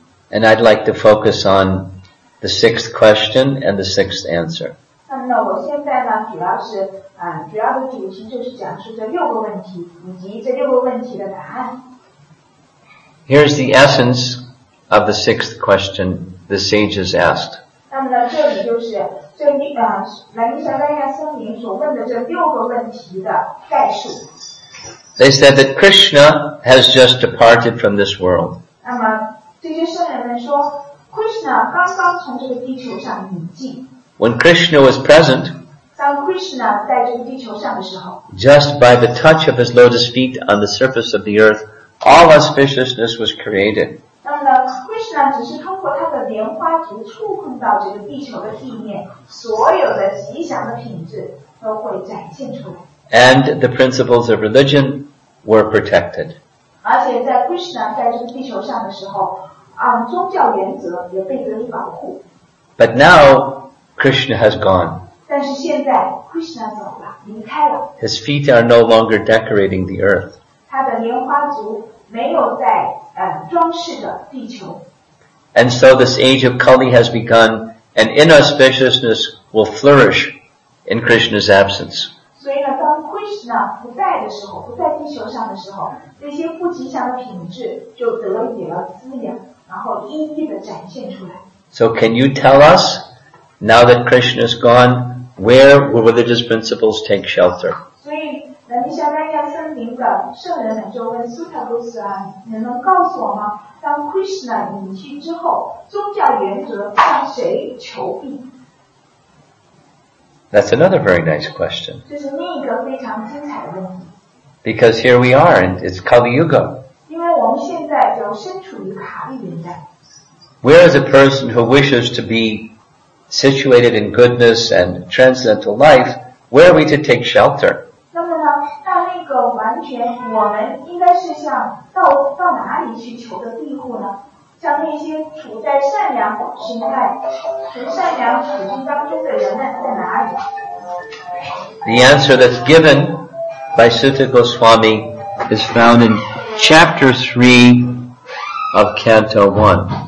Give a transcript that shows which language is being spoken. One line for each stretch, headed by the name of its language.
English: And I'd like to focus on the 6th question and the 6th answer.
Chinese: 那我现在呢，主要的主题就是讲述这六个问题以及这六个问题的答案。
English: Here's the essence of the 6th question the sages asked.
Chinese: 那么呢，这里就是南尼夏温亚僧尼所问的这六个问题的概述。
English: They said that Krishna has just departed from this world.
Chinese: 那么这些圣人们说 ，Krishna 刚刚从这个地球上隐迹。
English: When Krishna was present,
Chinese: 当 Krishna 在这个地球上的时候
English: ，just by the touch of his lotus feet on the surface of the earth, all auspiciousness was created.
Chinese: 那么 Krishna 只是通过他的莲花足触碰到这个地球的地面，所有的吉祥的品质都会展现出来。
English: And the principles of religion were protected.
Chinese: 而且在 Krishna 在这个地球上的时候，宗教原则也被得以保护。
English: But now Krishna has gone.
Chinese: 但是现在 Krishna 走了，离开了。
English: His feet are no longer decorating the earth.
Chinese: 他的莲花足没有在装饰着地球。
English: And so this age of Kali has begun, and inauspiciousness will flourish in Krishna's absence.
Chinese: 所以呢，当 Krishna 不在的时候，不在地球上的时候，这些不吉祥的品质就得以了滋养，然后一一的展现出来。
English: So can you tell us, now that Krishna is gone, where will religious principles take shelter?
Chinese: 所以南尼夏温亚僧尼的圣人们就问 Sutta Goswami， 你能告诉我吗？当 Krishna 隐去之后，宗教原则向谁求庇？
English: That's another very nice question.
Chinese: 这是另一个非常精彩的问题。
English: Because here we are, and it's Kali Yuga.
Chinese: 因为我们现在就身处于卡利年代。
English: Where is a person who wishes to be situated in goodness and transcendental life? Where are we to take shelter?
Chinese: 那么呢，到那个完全，我们应该是向到哪里去求的庇护呢？像那些处在善良形态、处善良处境当中的人们在哪里？
English: The answer that's given by Sutta Goswami is found in Chapter 3 of Canto 1.